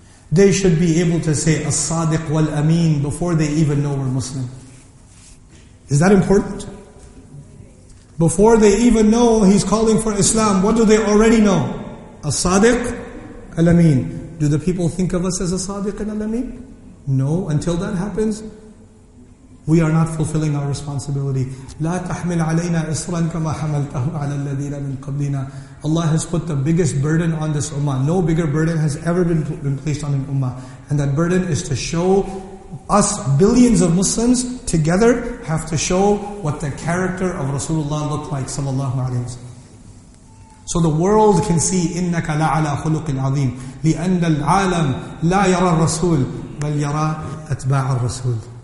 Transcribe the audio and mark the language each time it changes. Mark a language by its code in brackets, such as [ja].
[en] They should be able to say As-Sadiq wal-Ameen before they even know we're Muslim. Is that important? Before they even know he's calling for Islam, what do they already know? As-Sadiq al-Ameen. Do the people think of us as As-Sadiq al-Ameen? No, until that happens, we are not fulfilling our responsibility. [ar] لا تحمل علينا إصرا كما حملته على الذين من قبلنا. [en] Allah has put the biggest burden on this ummah. No bigger burden has ever been placed on an ummah. And that burden is to show us, billions of Muslims together, have to show what the character of Rasulullah looked like, sallallahu alaihi wasallam. So the world can see [ar] إِنَّكَ لَعَلَى خُلُقٍ عَظِيمٍ لِأَنَّ الْعَالَمْ لَا يَرَى الرَّسُولِ بَلْ يَرَى أَتْبَاعَ الرَّسُولِ.